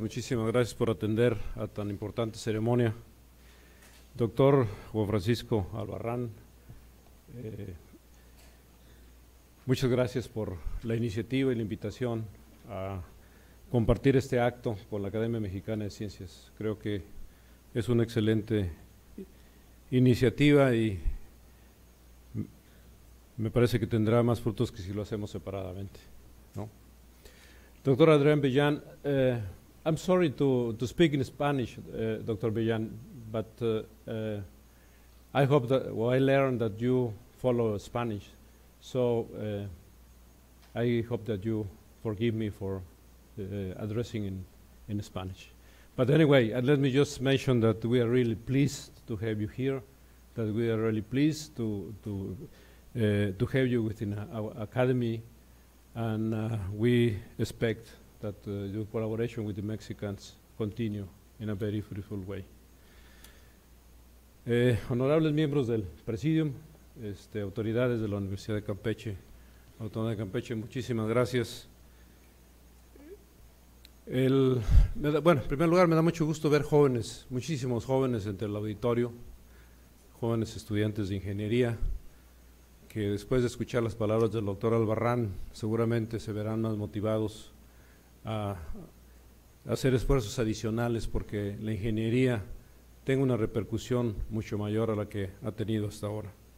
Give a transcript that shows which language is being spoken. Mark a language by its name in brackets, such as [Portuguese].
[Spanish] Muchísimas gracias por atender a tan importante ceremonia. Doctor Juan Francisco Albarrán, muchas gracias por la iniciativa y la invitación a compartir este acto con la Academia Mexicana de Ciencias. Creo que es una excelente iniciativa y me parece que tendrá más frutos que si lo hacemos separadamente, ¿no? [English] Doctor Adrián Bellán, I'm sorry to speak in Spanish, Dr. Bellán, but I hope that, well, I learned that you follow Spanish, so I hope that you forgive me for addressing in Spanish. But anyway, let me just mention that we are really pleased to have you here, that we are really pleased to have you within our academy, and we expect that your collaboration with the Mexicans continue in a very fruitful way. [Spanish] Honorables miembros del Presidium, autoridades de la Universidad de Campeche, Autónoma de Campeche, muchísimas gracias. En primer lugar, me da mucho gusto ver jóvenes, muchísimos jóvenes entre el auditorio, jóvenes estudiantes de ingeniería, que después de escuchar las palabras del doctor Albarrán, seguramente se verán más motivados a hacer esfuerzos adicionales porque la ingeniería tenga una repercusión mucho mayor a la que ha tenido hasta ahora.